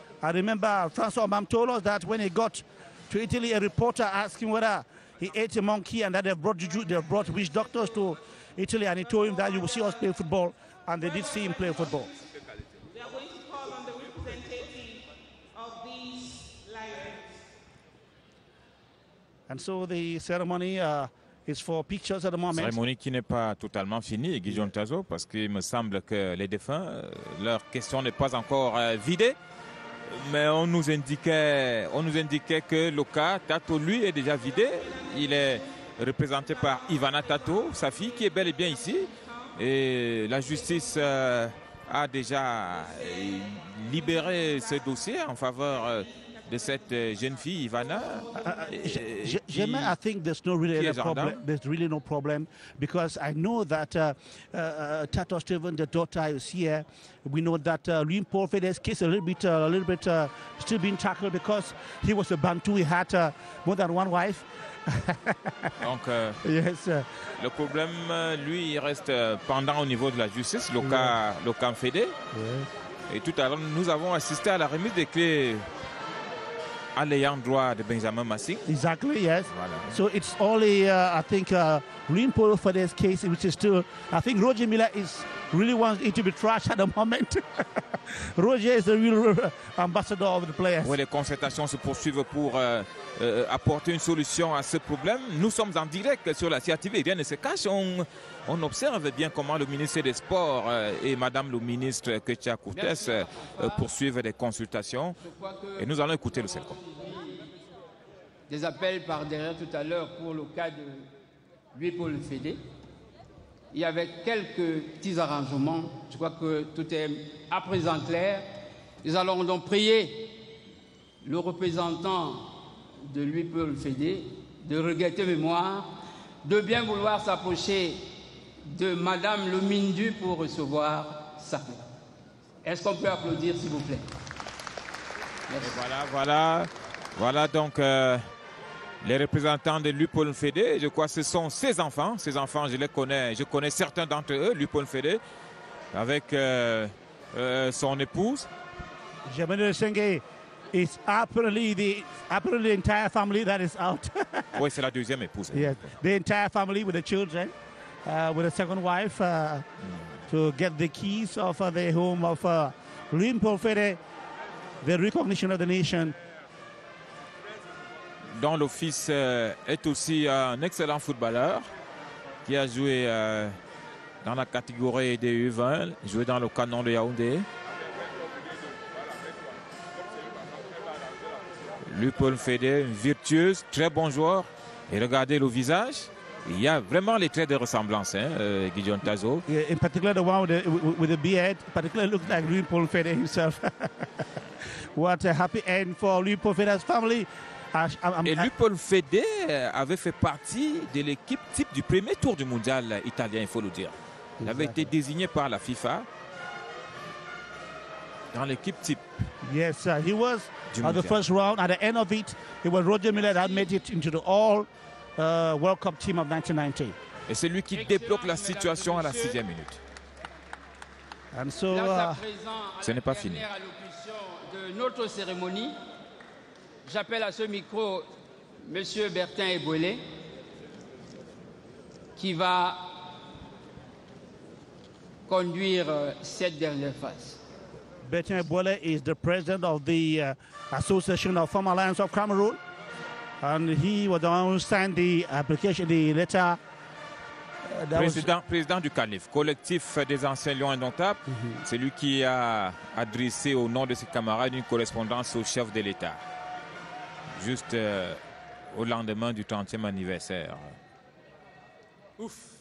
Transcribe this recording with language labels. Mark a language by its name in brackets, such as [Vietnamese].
[English] I remember Francois Mbam told us that when he got to Italy, a reporter asked him whether he ate a monkey and that they have brought witch doctors to Italy, and he told him that you will see us play football, and they did see him play football. We are going to call on the representative of these Lions. And so the ceremony is for pictures at the moment. [French] Cérémonie qui n'est pas totalement finie, Guy Jontazo, parce qu'il me semble que les défunts, leur question n'est pas encore vidée. Mais on nous indiquait que Loka Tato, lui, est déjà vidé. Il est représenté par Ivana Tato, sa fille, qui est bel et bien ici. Et la justice a déjà libéré ce dossier en faveur de cette jeune fille, Ivana. [English] Gemma, I think there's no really any problem. There's really no problem because I know that Tato Steven, the daughter, is here. We know that Louis Paul Fede's case a little bit still being tackled because he was a Bantu. He had more than one wife. [French] Donc, le problème, lui, il reste pendant au niveau de la justice, le cas Fédé. Yes. Et tout à l'heure, nous avons assisté à la remise des clés à l'ayant droit de Benjamin Massing. [English] Exactly, yes. Voilà. So it's only, I think, Green Polo for this case, which is still, I think Roger Miller is really wants it to be trashed at the moment. Roger is the real ambassador of the players. [French] Oui, les concertations se poursuivent pour apporter une solution à ce problème. Nous sommes en direct sur la CRTV. Rien ne se cache. On observe bien comment le ministère des Sports et Madame le ministre Kétia Courtès poursuivent les consultations. Et nous allons écouter le second. Des appels par derrière tout à l'heure pour le cas de lui pour le Fédé. Il y avait quelques petits arrangements. Je crois que tout est à présent clair. Nous allons donc prier le représentant de lui pour le Fédé de regretter mémoire, de bien vouloir s'approcher de Madame Lomindu pour recevoir sa plainte. Est-ce qu'on peut applaudir, s'il vous plaît? Merci. Et voilà, voilà, voilà donc. Les représentants de Lupol Fédé, je crois que ce sont ses enfants. Ses enfants, je les connais. Je connais certains d'entre eux, Lupol Fédé, avec son épouse. [English] Jemene Senge, it's apparently the entire family that is out. [French] Oui, c'est la deuxième épouse. [English] Yes. The entire family with the children, with a second wife, to get the keys of the home of Lupol Fédé, the recognition of the nation. [French] Dont le fils est aussi un excellent footballeur qui a joué dans la catégorie des U20, joué dans le canon de Yaoundé. Lupol Fédé, virtueuse, très bon joueur. Et regardez le visage, il y a vraiment les traits de ressemblance, hein, Gideon Tazo. [English] Yeah, in particular, the one with the beard, particularly looks like Lupol Fédé himself. What a happy end for Lupol Fédé's family. [French] Et Lupol Fédé avait fait partie de l'équipe type du premier tour du mondial italien, il faut le dire. Il avait été désigné par la FIFA dans l'équipe type. [English] Yes, sir. He was at the first round. At the end of it, it was Roger Miller that made it into the All World Cup team of 1990. [French] Et c'est lui qui débloque la situation à la sixième minute. [English] And so, [French] ce n'est pas fini. De notre cérémonie. J'appelle à ce micro M. Bertin Eboué, qui va conduire cette dernière phase. [English] Bertin Eboué is the president of the Association of Farm Alliance of Cameroon, and he was the one who signed the application, the letter. [French] Président du CANIF, collectif des anciens Lions Indomptables, c'est lui qui a adressé au nom de ses camarades une correspondance au chef de l'État. Juste au lendemain du 30e anniversaire. Ouf.